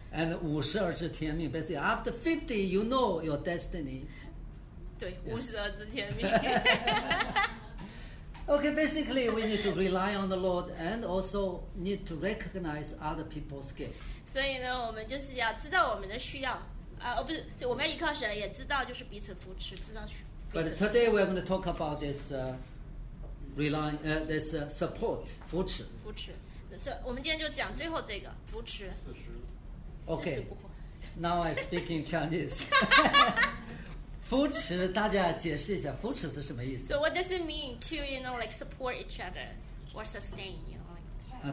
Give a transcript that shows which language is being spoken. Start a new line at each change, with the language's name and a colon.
English: And
Chinese: 五十而知天命
English: ，basically after 50, you know your destiny.
Chinese: 对，五十而知天命。
English: Okay, basically we need to rely on the Lord and also need to recognize other people's gifts.
Chinese: 所以呢，我们就是要知道我们的需要，不是，我们依靠神，也知道就是彼此扶持，知道彼此。
English: But today we are going to talk about this support 扶持。
Chinese: 扶持，我们今天就讲最后这个扶持。
English: Okay. Now I speaking Chinese.
Chinese: 扶持，大家解释一下扶持是什么意思
English: ？So what does it mean to you know like support each other or sustain you know?